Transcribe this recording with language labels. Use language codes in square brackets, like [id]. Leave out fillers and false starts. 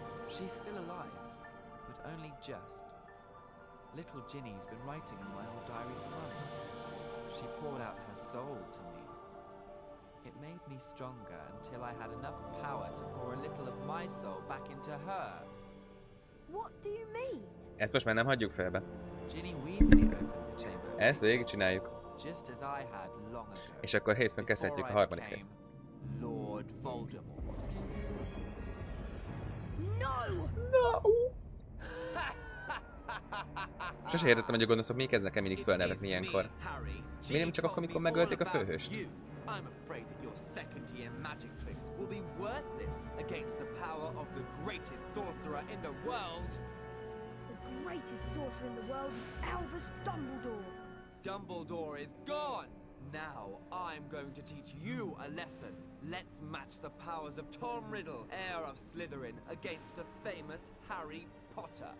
[en] She's still alive, but only just. Little Ginny's been writing in my old diary for months. She poured out her soul to me. It made me stronger until I had enough power to pour a little of my soul back into her. What do you mean? [hu] Ezt most már nem hagyjuk félbe. [en] Ginny Weasley opened the chamber. [hu] Ezt végig csináljuk. [en] Just as I had long ago. [hu] És akkor hétfőn kezdhetjük a harmadik részt. [en] Lord Voldemort. No! [hu] Sose értettem, hogy a gondoszok mi kezdnek el mindig fölnevetni ilyenkor. Miért nem csak akkor, amikor megölték a főhőst? [en] I'm afraid that your second year magic tricks will be worthless against the power of the greatest sorcerer in the world. The greatest sorcerer in the world is Albus Dumbledore. Dumbledore is gone. Now I'm going to teach you a lesson. Let's match the powers of Tom Riddle, heir of Slytherin, against the famous Harry Potter.